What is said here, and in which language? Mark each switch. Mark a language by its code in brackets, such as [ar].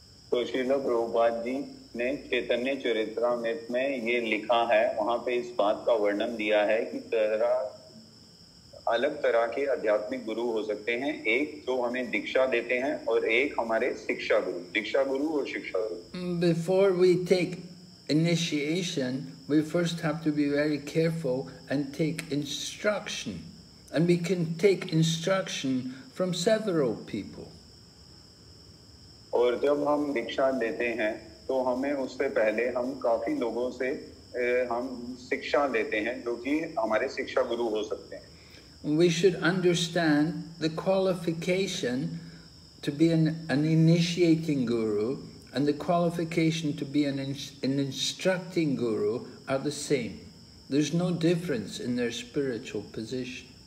[hi] So Srila Prabhupada ji ne Chaitanya Charitamrita mein ye likha hai, wahan pe is baat ka varnan diya hai ki अलग तरह के आध्यात्मिक गुरु हो सकते हैं, एक जो हमें दीक्षा देते हैं और एक हमारे शिक्षा गुरु, दीक्षा गुरु और शिक्षा गुरु. [en] Before we take initiation, we first have to be very careful and take instruction, and we can take instruction from several people. [hi] और जब हम दीक्षा देते हैं तो हमें उससे पहले हम काफी लोगों से हम शिक्षा लेते हैं जो कि हमारे शिक्षा गुरु हो सकते हैं. [en] We should understand the qualification to be an initiating guru and the qualification to be an instructing guru are the same. There's no difference in their spiritual position.